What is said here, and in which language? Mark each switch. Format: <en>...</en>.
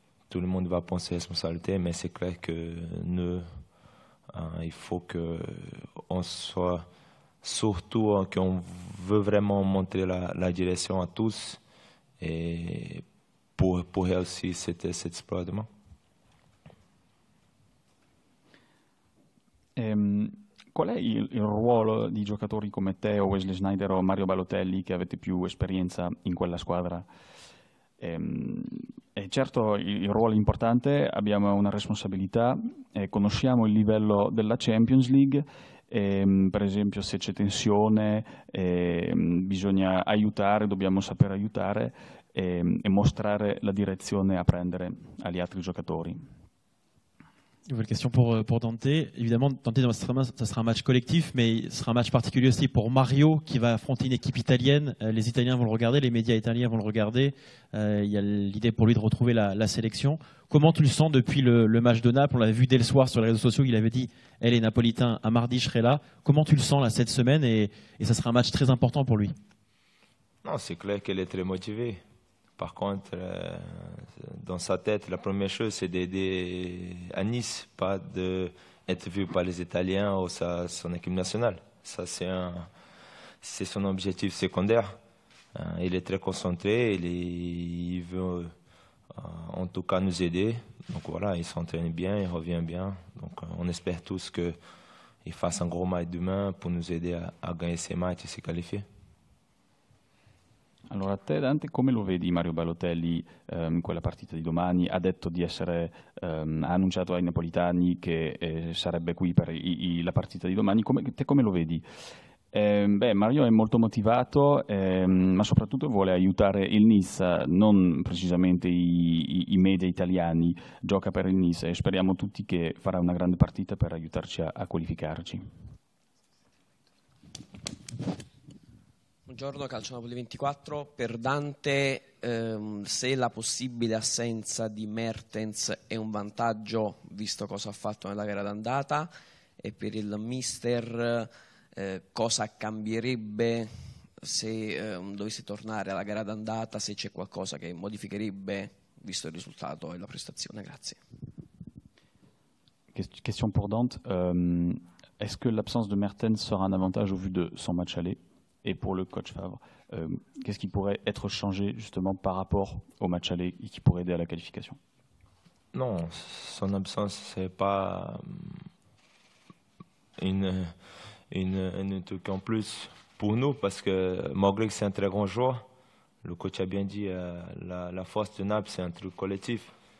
<fr>Tout le monde va prendre ses responsabilités, mais c'est clair que nous, il faut que on soit surtout qu'on veut vraiment montrer la direction à tous et pour réussir cet exploit demain.</fr> <it>Qual è il ruolo di giocatori come te o Wesley Sneijder o Mario Balotelli che avete più esperienza in quella squadra? E certo il ruolo è importante, abbiamo una responsabilità, conosciamo il livello della Champions League, per esempio se c'è tensione bisogna aiutare, dobbiamo saper aiutare e mostrare la direzione a prendere agli altri giocatori.</it> <fr>Nouvelle question pour Dante. Évidemment, Dante, ça sera un match collectif, mais ce sera un match particulier aussi pour Mario, qui va affronter une équipe italienne. Les Italiens vont le regarder, les médias italiens vont le regarder. Il y a l'idée pour lui de retrouver la sélection. Comment tu le sens depuis le match de Naples? On l'avait vu dès le soir sur les réseaux sociaux, il avait dit « Elle est napolitain, à mardi je serai là ». Comment tu le sens là cette semaine et ça sera un match très important pour lui? Non, c'est clair qu'elle est très motivée. Par contre, dans sa tête, la première chose, c'est d'aider à Nice, pas d'être vu par les Italiens ou son équipe nationale. Ça, c'est son objectif secondaire. Il est très concentré, il veut en tout cas nous aider. Donc voilà, il s'entraîne bien, il revient bien. Donc on espère tous qu'il fasse un gros match demain pour nous aider à gagner ces matchs et se qualifier.</fr> <it>Allora, te Dante, come lo vedi Mario Balotelli in quella partita di domani? Ha detto di essere, ha annunciato ai napoletani che sarebbe qui per la partita di domani. Come lo vedi? Mario è molto motivato, ma soprattutto vuole aiutare il Nice, non precisamente i media italiani. Gioca per il Nice e speriamo tutti che farà una grande partita per aiutarci a qualificarci. Buongiorno, Calcio Napoli 24. Per Dante, se la possibile assenza di Mertens è un vantaggio, visto cosa ha fatto nella gara d'andata, e per il mister, cosa cambierebbe se dovesse tornare alla gara d'andata, se c'è qualcosa che modificherebbe, visto il risultato e la prestazione. Grazie.</it> <fr>Question pour Dante. Est-ce que l'absence de Mertens sera un avantage au vu de son match aller? Et pour le coach Favre, qu'est-ce qui pourrait être changé justement par rapport au match aller et qui pourrait aider à la qualification? Non, son absence, ce n'est pas un truc en plus pour nous, parce que malgré que c'est un très grand joueur, le coach a bien dit, la force de Naples, c'est un truc collectif.</fr>